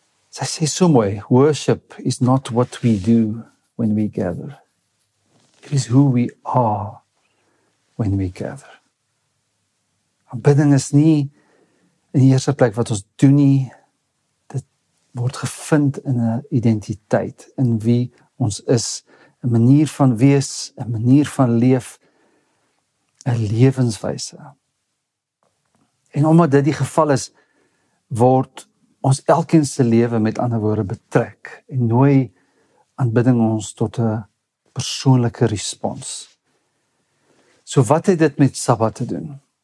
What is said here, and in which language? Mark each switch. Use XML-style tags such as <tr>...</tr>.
<af>Sy sê so mooi,</af> <en>worship is not what we do when we gather. It is who we are when we gather.</en> <af>Aanbidding is nie in die eerste plek wat ons doen nie, dit word gevind in 'n identiteit, in wie ons is, 'n manier van wees, 'n manier van leef, 'n lewenswyse. En omdat dit die geval is, word ons elkeen se lewe met ander woorde betrek en nooi aanbidding ons tot 'n persoonlike respons. So wat het dit met Sabbat te doen?</af>